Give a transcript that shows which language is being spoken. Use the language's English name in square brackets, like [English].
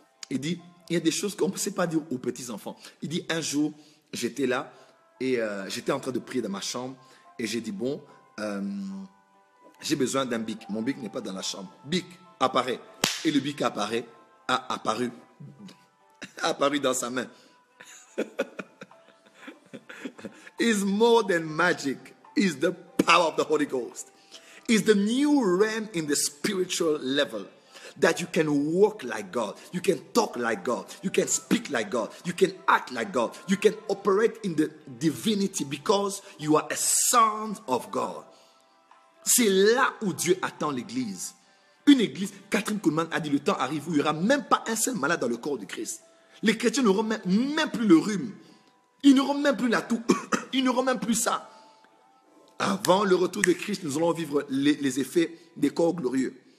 [French] Il dit, il y a des choses qu'on ne sait pas dire aux petits-enfants. Il dit, un jour, j'étais là et j'étais en train de prier dans ma chambre et j'ai dit, bon, j'ai besoin d'un bic. Mon bic n'est pas dans la chambre. Bic apparaît. Et le bic apparaît, a apparu dans sa main. [English] It's more than magic. Is the power of the Holy Ghost. Is the new realm in the spiritual level. That you can walk like God. You can talk like God. You can speak like God. You can act like God. You can operate in the divinity because you are a son of God. [French] C'est là où Dieu attend l'église. Une église, Catherine Kuhlman a dit, le temps arrive où il n'y aura même pas un seul malade dans le corps du Christ. Les chrétiens n'auront même plus le rhume. Ils n'auront même plus la toux. Ils n'auront même plus ça. Avant le retour de Christ, nous allons vivre les effets des corps glorieux.